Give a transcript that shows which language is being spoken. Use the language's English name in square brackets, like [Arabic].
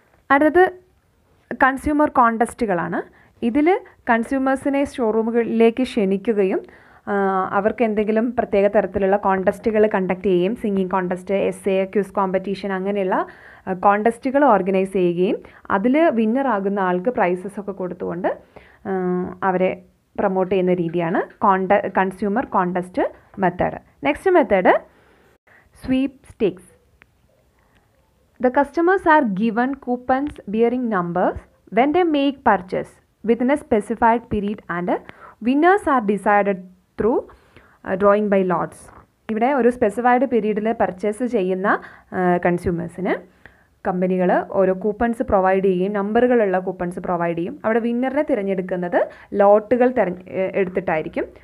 [Malayalam] അടുത്തത് കൺസ്യൂമർ കോണ്ടസ്റ്റുകളാണ്. ഇതിൽ കൺസ്യൂമേഴ്സിനെ ഷോറൂമുകളിലേക്ക് ക്ഷണിക്കുകയും അവർക്ക് എന്തെങ്കിലും പ്രത്യേക തരത്തിലുള്ള കോണ്ടസ്റ്റുകൾ കണ്ടക്ട് ചെയ്യുകയും singing contest, SA, quiz competition അങ്ങനെയുള്ള കോണ്ടസ്റ്റുകൾ ഓർഗനൈസ് ചെയ്യുകയും അതിൽ വിന്നറാകുന്ന ആൾക്ക് പ്രൈസസൊക്കെ കൊടുത്തുകൊണ്ട് അവരെ പ്രൊമോട്ട് ചെയ്യുന്ന രീതിയാണ് consumer contest method. Next method SVEEP sticks. [English] The customers are given coupons bearing numbers when they make purchase within a specified period and winners are decided through drawing by lots. [Malayalam] ഇവിടെ ഒരു specified പീരീഡിൽ purchase ചെയ്യുന്ന കൺസ്യൂമേഴ്സിന് കമ്പനികൾ ഓരോ coupons provide ചെയ്യുകയും നമ്പറുകളുള്ള coupons provide ചെയ്യും. അവിടെ വിന്നറിനെ തിരഞ്ഞെടുക്കുന്നത് ലോട്ടുകൾ എടുത്തിട്ടായിരിക്കും.